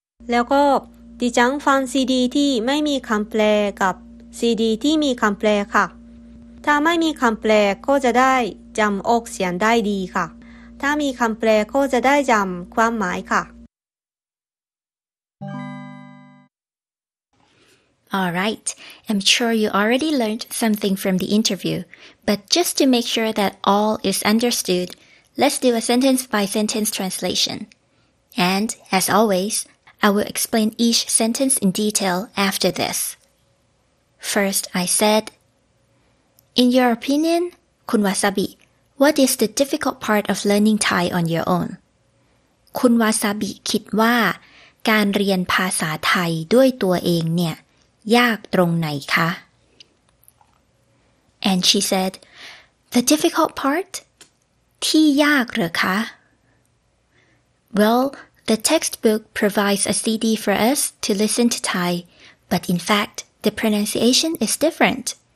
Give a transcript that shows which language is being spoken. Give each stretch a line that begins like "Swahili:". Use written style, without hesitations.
Thai: แล้วก็ดิฉันฟังซีดีที่ไม่มีคำแปลกับซีดีที่มีคำแปลค่ะถ้าไม่มีคำแปลก็จะได้จำออกเสียงได้ดีค่ะถ้ามีคำแปลก็จะได้จำความหมายค่ะ
English: All right, I'm sure you already learned something from the interview, but just to make sure that all is understood, let's do a sentence by sentence translation. And, as always, I will explain each sentence in detail after this. First, I said, In your opinion, Kun Wasabi, What is the difficult part of learning Thai on your own?
Thai: คุณวาซาบิคิดว่าการเรียนภาษาไทยด้วยตัวเองเนี่ยยากตรงไหนคะ
English: And she said, The difficult part?
Thai: ที่ยากเหรอคะ
English: Well, the textbook provides a CD for us to listen to Thai, but in fact, the pronunciation is different.